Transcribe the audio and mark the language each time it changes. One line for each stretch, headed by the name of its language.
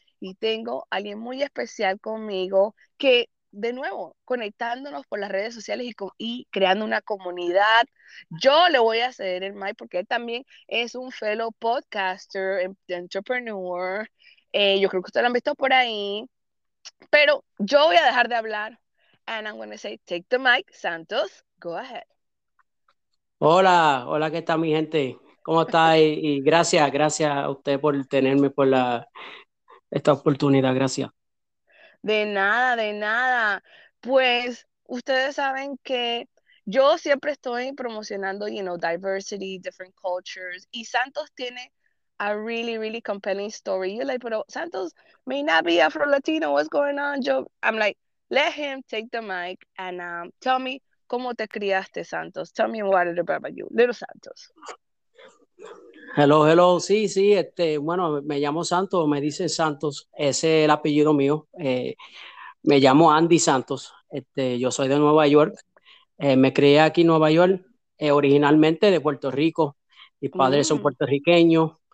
Spanish: Y tengo a alguien muy especial conmigo que, de nuevo, conectándonos por las redes sociales y creando una comunidad. Yo le voy a ceder el mic porque él también es un
English: fellow podcaster, entrepreneur.
Spanish: Yo creo que ustedes lo han visto por ahí. Pero yo voy a dejar de hablar.
English: And I'm going to say, take the mic, Santos. Go ahead.
Spanish: Hola, hola, ¿qué tal, mi gente? ¿Cómo estáis? Y gracias a usted por tenerme por esta oportunidad. Gracias. De nada. Pues ustedes saben que yo siempre estoy promocionando,
English: you know, diversity, different cultures,
Spanish: y Santos tiene
English: a really, really compelling story. You're like, pero Santos may not be Afro-Latino, what's going on, Joe? I'm like, let him take the mic and tell me,
Spanish: ¿cómo te criaste,
English: Santos? Tell me what it about you, little Santos.
Spanish: Hello, sí, bueno, me llamo Santos, me dice Santos, ese es el apellido mío. Me llamo Andy Santos, yo soy de Nueva York, me crié aquí en Nueva York, originalmente de Puerto Rico, mis padres son puertorriqueños,